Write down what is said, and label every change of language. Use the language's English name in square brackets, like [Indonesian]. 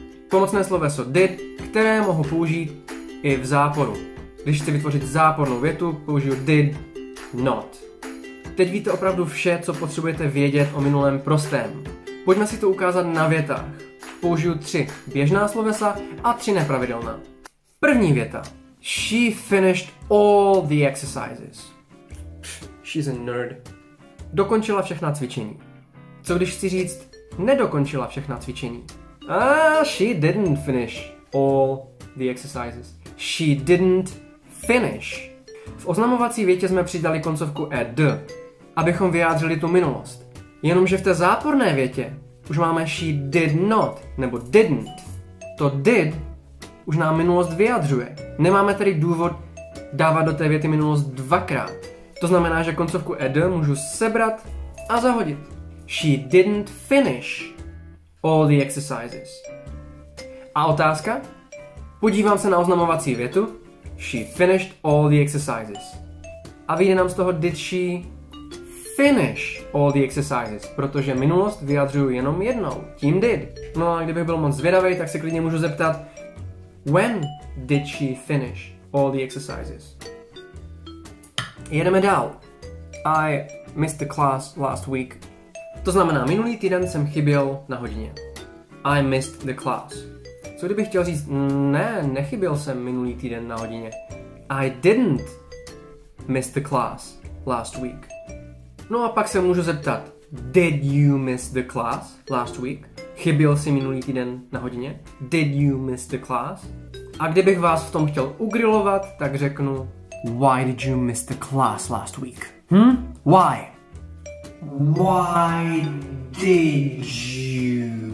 [Czech] Pomocné sloveso did, které mohu použít i v záporu. Když chci vytvořit zápornou větu, použiju did not. Teď víte opravdu vše, co potřebujete vědět o minulém prostém. Pojďme si to ukázat na větách. Použiju 3 běžná slovesa a 3 nepravidelná. První věta. [English] She finished all the exercises. She's a nerd. [Czech] Dokončila všechna cvičení. Co když chci říct, nedokončila všechna cvičení? [English] She didn't finish all the exercises. She didn't finish. [Czech] V oznamovací větě jsme přidali koncovku ed, abychom vyjádřili tu minulost. Jenomže v té záporné větě už máme [English] she did not, [Czech] nebo didn't. To did už nám minulost vyjadřuje. Nemáme tedy důvod dávat do té věty minulost dvakrát. To znamená, že koncovku ed můžu sebrat a zahodit. [English] She didn't finish all the exercises. [Czech] A otázka? Podívám se na oznamovací větu. [English] She finished all the exercises. [Czech] A vyjde nám z toho [English] did she finish all the exercises, [Czech] protože minulost vyjadřuju jenom jednou. Tím did. No a kdybych byl moc zvědavý, tak se klidně můžu zeptat, [English] when did she finish all the exercises? [Czech] Jedeme dál. [English] I missed the class last week. [Czech] To znamená, minulý týden jsem chyběl na hodině. [English] I missed the class. [Czech] Co kdybych chtěl říct, ne, nechyběl jsem minulý týden na hodině. [English] I didn't miss the class last week. No a pak se můžu zeptat, did you miss the class last week? [Czech] Chyběl jsi minulý týden na hodině? [English] Did you miss the class? [Czech] A kdybych vás v tom chtěl ugrilovat, tak řeknu, [English] why did you miss the class last week? Hm? Why? Why did you?